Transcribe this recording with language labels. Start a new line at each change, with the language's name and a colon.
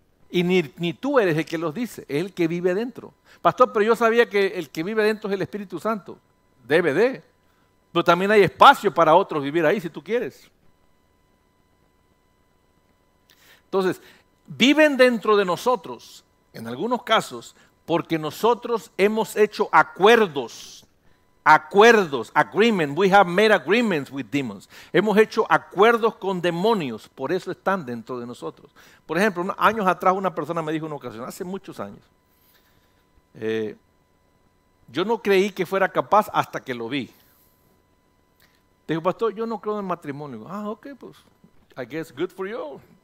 Spanish: Y ni tú eres el que los dice, es el que vive dentro. Pastor, pero yo sabía que el que vive dentro es el Espíritu Santo. Debe de. Pero también hay espacio para otros vivir ahí si tú quieres. Entonces, viven dentro de nosotros, en algunos casos, porque nosotros hemos hecho acuerdos.
English: Acuerdos, agreement, we have made agreements with demons.
Spanish: Hemos hecho acuerdos con demonios, por eso están dentro de nosotros. Por ejemplo, años atrás una persona me dijo una ocasión, hace muchos años, yo no creí que fuera capaz hasta que lo vi. Dijo, pastor, yo no creo en matrimonio.
English: Ah, ok, pues, I guess good for you.